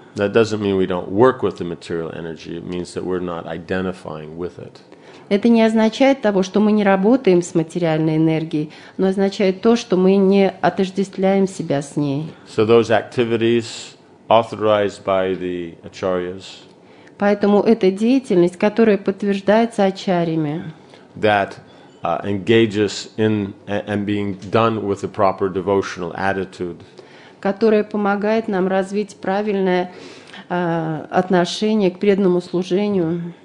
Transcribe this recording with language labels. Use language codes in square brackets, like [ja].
[en] That doesn't mean we don't work with the material energy. It means that we're not identifying with it. [ru] Это не означает того, что мы не работаем с материальной энергией, но означает то, что мы не отождествляем себя с ней. [en] So those activities authorized by the acharyas. [ru] Поэтому это деятельность, которая подтверждается ачарьями. [en] That engages in and being done with a proper devotional attitude. [ru] Которая помогает нам развить правильное отношение к преданному служению.